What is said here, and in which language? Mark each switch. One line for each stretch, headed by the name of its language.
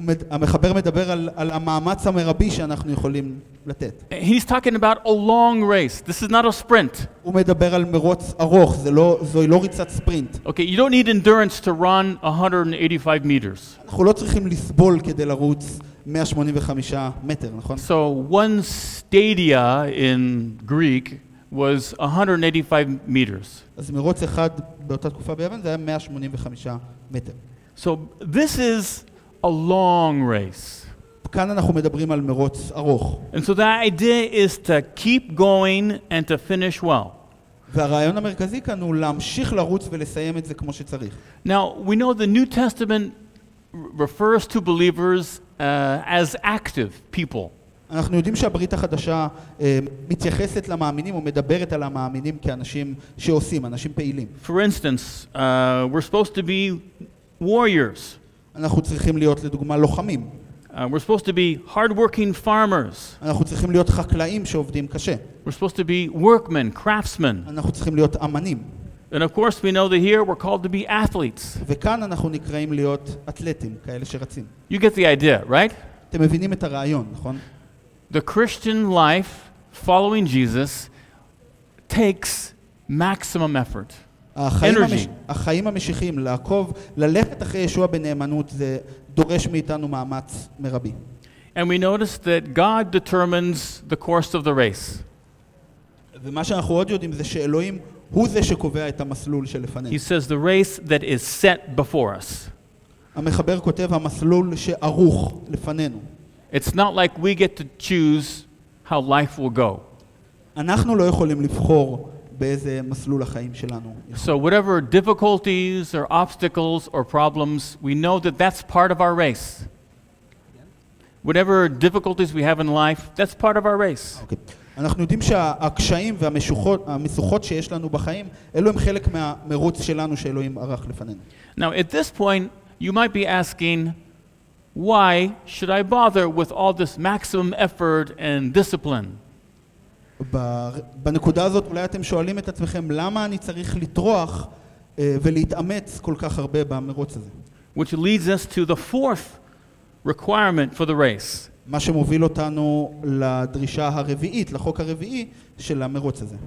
Hebrew: המחבר מדבר על המאמץ המרבי שאנחנו יכולים לתת.
English: He's talking about a long race. This is not a sprint.
Hebrew: הוא מדבר על מרוץ ארוך, זו לא ריצת ספרינט.
English: Okay, you don't need endurance to run 185 meters.
Hebrew: אנחנו לא צריכים לסבול כדי לרוץ 185 מטר, נכון?
English: So one stadia in Greek was 185 meters.
Hebrew: אז מרוץ אחד באותה תקופה ביוון זה היה 185 מטר.
English: So this is a long race.
Hebrew: כאן אנחנו מדברים על מרוץ ארוך.
English: And so the idea is to keep going and to finish well.
Hebrew: והרעיון המרכזי כאן הוא להמשיך לרוץ ולסיים את זה כמו שצריך.
English: Now we know the New Testament refers to believers as active people.
Hebrew: אנחנו יודעים שהברית החדשה מתייחסת למאמינים ומדברת על המאמינים כאנשים שעושים, אנשים פעילים.
English: For instance, we're supposed to be warriors.
Hebrew: אנחנו צריכים להיות לדוגמה לוחמים.
English: We're supposed to be hard-working farmers.
Hebrew: אנחנו צריכים להיות חקלאים שעובדים קשה.
English: We're supposed to be workmen, craftsmen.
Hebrew: אנחנו צריכים להיות אמנים.
English: And of course we know that here we're called to be athletes.
Hebrew: וכאן אנחנו נקראים להיות אתלטים, כאלה שרצים.
English: You get the idea, right?
Hebrew: אתם מבינים את הרעיון, נכון?
English: The Christian life following Jesus takes maximum effort.
Hebrew: החיים המשיחיים לעקוב ללכת אחרי ישוע בנאמנות זה דורש מאיתנו מאמץ מרבי.
English: And we notice that God determines the course of the race.
Hebrew: ומה שאנחנו עוד יודעים זה שאלוהים הוא זה שקובע את המסלול שלפנינו.
English: He says the race that is set before us.
Hebrew: המחבר כותב המסלול שערוך לפנינו.
English: It's not like we get to choose how life will go.
Hebrew: אנחנו לא יכולים לבחור באיזה מסלול החיים שלנו.
English: So whatever difficulties or obstacles or problems, we know that that's part of our race. Whatever difficulties we have in life, that's part of our race.
Hebrew: אנחנו יודעים שהקשיים והמשוכות שיש לנו בחיים, אלו הם חלק מהמרוץ שלנו שאלוהים ערך לפנינו.
English: Now at this point, you might be asking why should I bother with all this maximum effort and discipline?
Hebrew: בנקודה הזאת אולי אתם שואלים את עצמכם למה אני צריך לתרוח ולהתאמץ כל כך הרבה במרוץ הזה.
English: Which leads us to the fourth requirement for the race.
Hebrew: מה שמוביל אותנו לדרישה הרביעית, לחוק הרביעי של המרוץ הזה.